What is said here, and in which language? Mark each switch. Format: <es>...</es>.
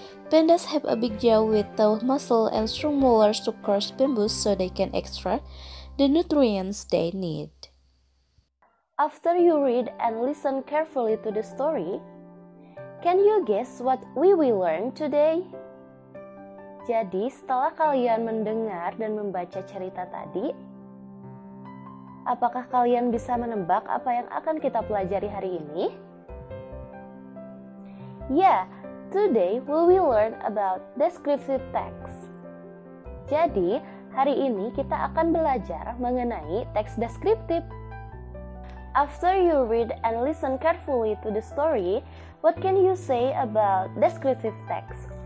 <en>Pandas have a big jaw with tough muscle and strong molars to crush bamboos so they can extract the nutrients they need. After you read and listen carefully to the story, can you guess what we will learn today?</en> <id>Jadi, setelah kalian mendengar dan membaca cerita tadi, apakah kalian bisa menebak apa yang akan kita pelajari hari ini?</id> <en>Yeah, today we will learn about descriptive text.</en> <id>Jadi, hari ini kita akan belajar mengenai teks deskriptif.</id> <en>After you read and listen carefully to the story, what can you say about descriptive text?</en>